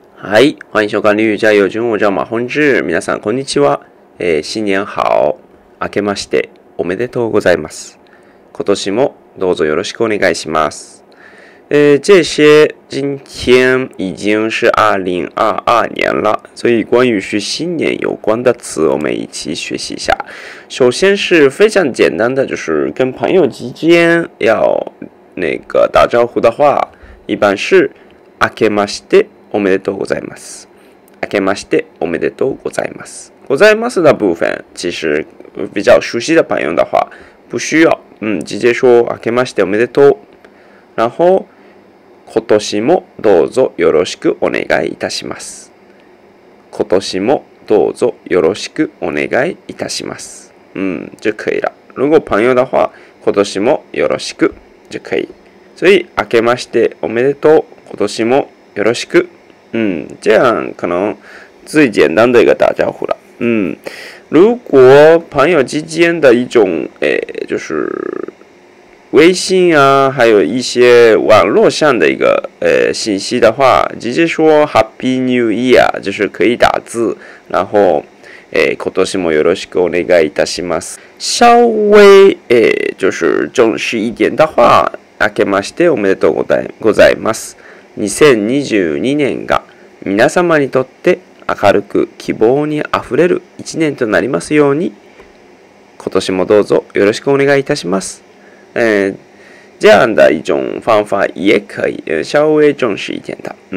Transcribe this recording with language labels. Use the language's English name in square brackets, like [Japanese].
[Chinese] 嗨，欢迎收看《日语加油中》，我叫马宏志。 [Japanese] 皆さんこんにちは。 [Chinese] 新年好， [Japanese] 明けましておめでとうございます。今年もどうぞよろしくお願いします。 [Chinese] 这些今天已经是2022年了，所以关于是新年有关的词，我们一起学习一下。首先是非常简单的，就是跟朋友之间要那个打招呼的话，一般是 [Japanese] 明けましておめでとうございます。明けましておめでとうございます。 [Chinese] ございます的部分，其实比较熟悉的朋友的话，不需要，直接说 [Japanese] 明けましておめでとう。 [Chinese] 然后， [Japanese] 今年もどうぞよろしくお願いいたします。今年もどうぞよろしくお願いいたします。 [Chinese] 就可以了。如果朋友的话， [Japanese] 今年もよろしく [Chinese] 就可以。 [Japanese] 所以明けましておめでとう。今年もよろしく。 [Chinese] 这样可能最简单的一个打招呼了。如果朋友之间的一种就是微信啊，还有一些网络上的一个信息的话，直接说 [English] Happy New Year， [Chinese] 就是可以打字，然后 [Japanese] 今年もよろしくお願いいたします。 [Chinese] 稍微就是正式一点的话， [Japanese] 明けましておめでとうございます。 2022年が皆様にとって明るく希望にあふれる一年となりますように、今年もどうぞよろしくお願いいたします。 [Chinese] 这样的一种方法也可以，稍微重视一点的。